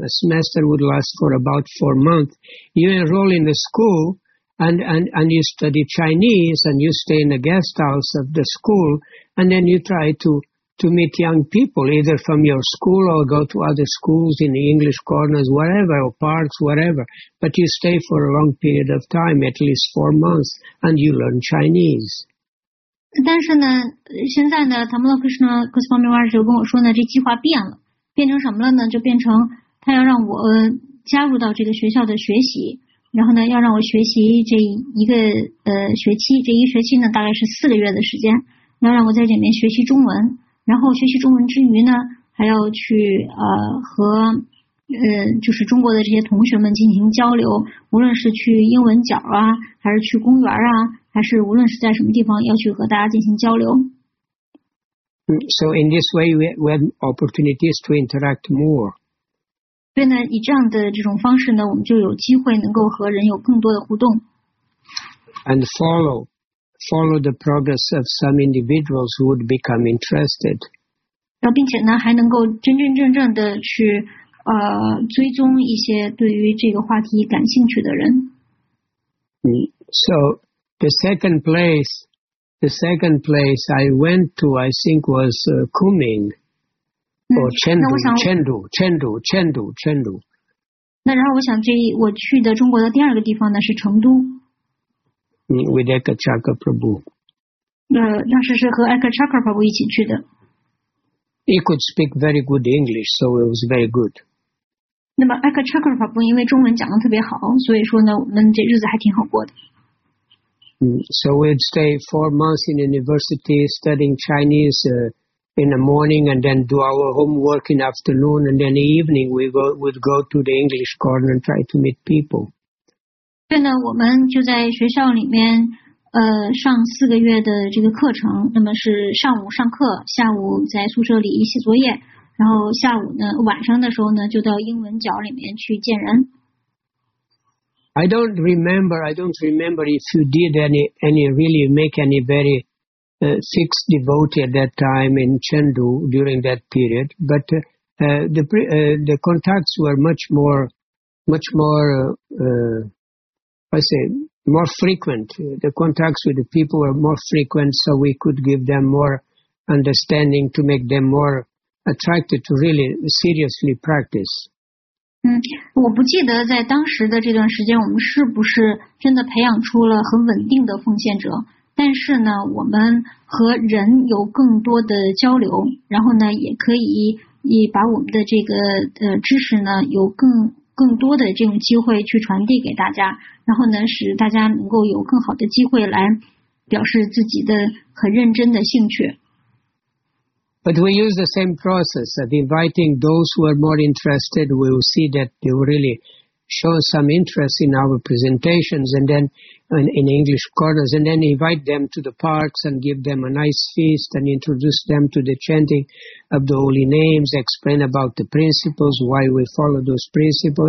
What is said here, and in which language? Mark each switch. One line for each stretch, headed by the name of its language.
English: A semester would last for about 4 months. You enroll in the school and you study Chinese and you stay in the guest house of the school. And then you try to meet young people, either from your school or go to other schools in the English corners, wherever, or parks, wherever. But you stay for a long period of time, at least 4 months, and you learn Chinese.
Chinese: 但是呢，现在呢，塔木洛克什纳格斯方面二就跟我说呢，这计划变了，变成什么了呢？就变成他要让我加入到这个学校的学习，然后呢，要让我学习这一个学期，这一学期呢，大概是4个月的时间。要让我在里面学习中文，然后学习中文之余呢还要去和就是中国的这些同学们进行交流，无论是去英文角啊，还是去公园啊，还是无论是在什么地方要去和大家进行交流。
English: So in this way we have opportunities to interact more.
Chinese: 对呢，以这样的这种方式呢我们就有机会能够和人有更多的互动。
English: And follow the progress of some individuals who would become interested.
Chinese: 并且呢还能够真真正正的去追踪一些对于这个话题感兴趣的人。
English: So, the second place I went to, I think, was Kunming, or Chengdu.
Chinese: 那然后我想这我去的中国的第二个地方呢是成都。
English: With Eka Chakra Prabhu.
Chinese: 当时是和 Eka Chakra Prabhu 一起去的。
English: He could speak very good English, so it was very good.
Chinese: 那么 Eka Chakra Prabhu 因为中文讲得特别好，所以说呢，我们这日子还挺好过的。
English: So we'd stay 4 months in university studying Chinese in the morning and then do our homework in the afternoon and then in the evening we would go to the English corner and try to meet people.
Chinese: 对呢，我们就在学校里面上四个月的这个课程，那么是上午上课，下午在宿舍里写作业，然后下午呢晚上的时候呢就到英文角里面去见人。
English: I don't remember if you did any really make any very fixed devotee at that time in Chengdu during that period, but the contacts were more frequent. The contacts with the people were more frequent, so we could give them more understanding to make them more attracted to really seriously practice.
Chinese: 我不记得在当时的这段时间我们是不是真的培养出了很稳定的奉献者，但是呢我们和人有更多的交流，然后呢也可以把我们的这个知识呢有更多的这种机会去传递给大家，然后呢使大家能够有更好的机会来表示自己的很认真的兴趣。
English: But we use the same process of inviting those who are more interested. We will see that they will really show some interest in our presentations and then in English corners and then invite them to the parks and give them a nice feast and introduce them to the chanting of the holy names, explain about the principles, why we follow those principles.